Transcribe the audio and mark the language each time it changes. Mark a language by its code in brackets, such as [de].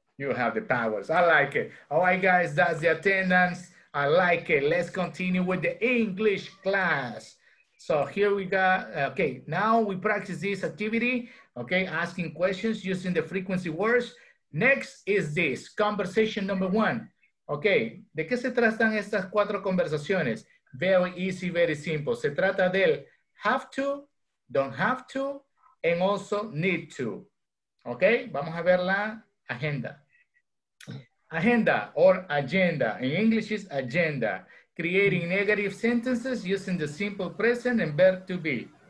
[en] You have the powers. I like it. All right, guys, that's the attendance. I like it. Let's continue with the English class. So here we got, okay, now we practice this activity, okay, asking questions using the frequency words. Next is this, conversation number one. [es] Okay, ¿de qué se tratan estas cuatro conversaciones? [en] Very easy, very simple. [es] Se trata del have to, don't have to, and also need to. Okay, vamos a ver la agenda. Agenda or agenda. [en] In English is agenda. Creating negative sentences using the simple present and verb to be.